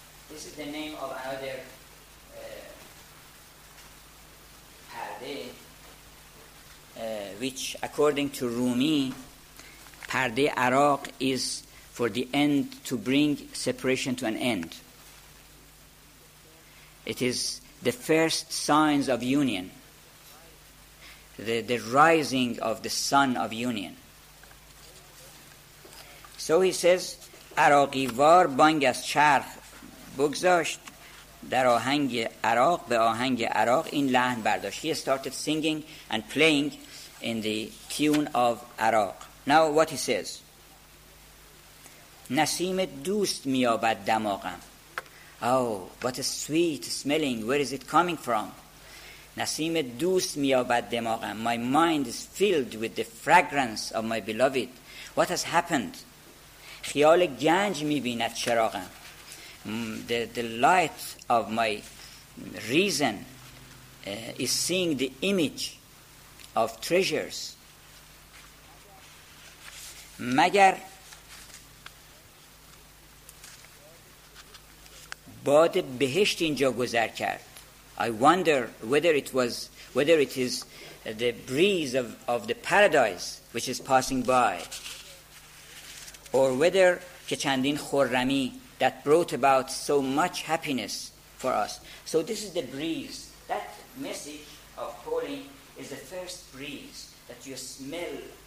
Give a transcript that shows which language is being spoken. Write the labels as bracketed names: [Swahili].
[English] This is the name of another parde, which, according to Rumi, parde araq is for the end, to bring separation to an end. It is the first signs of union, the rising of the sun of union. So he says, [Persian] عراقی وار بانگ از چرخ بگذاشت در آهنگ عراق به آهنگ عراق این لحن برداشت. [English] He started singing and playing in the tune of عراق. Now what he says, [Persian] نسیم دوست میابد دماغم. [English] Oh, what a sweet smelling. Where is it coming from? [Persian] نسیم دوست میابد دماغم. [English] My mind is filled with the fragrance of my beloved. What has happened? [Persian] خیال گنج میبیند چراغم. [English] The light of my reason is seeing the image of treasures. [Persian] مگر باد بهشت اینجا گذر کرد. [English] I wonder whether it is the breeze of the paradise which is passing by, or whether [Persian] که چندین خرمی [English] that brought about so much happiness for us. So this is the breeze. That message of calling is the first breeze that you smell.